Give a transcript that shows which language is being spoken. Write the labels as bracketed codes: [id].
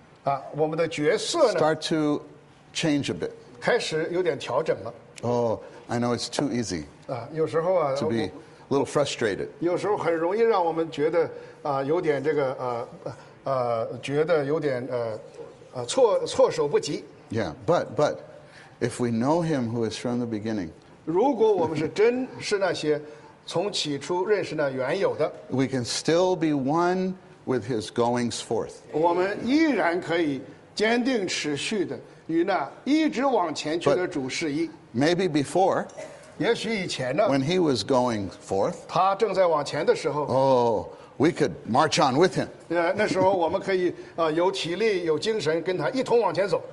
[zh] 啊，我们的角色呢。 [en] Start to change a bit. [zh] 开始有点调整了。 [en] Oh, I know it's too easy. [zh] 啊，有时候啊。 [en] To be a little frustrated. [zh] 有时候很容易让我们觉得啊，有点这个啊。觉得有点措手不及。 [en] Yeah, but if we know him who is from the beginning, [zh] 如果我们是真是那些从起初认识那原有的 [en] ，we can still be one with his goings forth. [zh] 我们依然可以坚定持续的与那一直往前去的主是一。 [en] Maybe before, [zh] 也许以前呢 [en] ，when he was going forth, [zh] 他正在往前的时候。 [en] Oh. We could march on with him. [zh] 那时候我们可以有体力有精神跟他一同往前走。